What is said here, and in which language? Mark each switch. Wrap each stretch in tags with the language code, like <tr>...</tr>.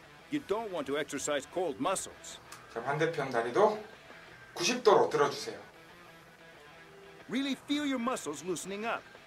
<en>You don't want to exercise cold muscles.</en> <ko>자, 반대편 다리도 90도로 들어주세요.</ko> <en>Really feel your muscles loosening up.</en>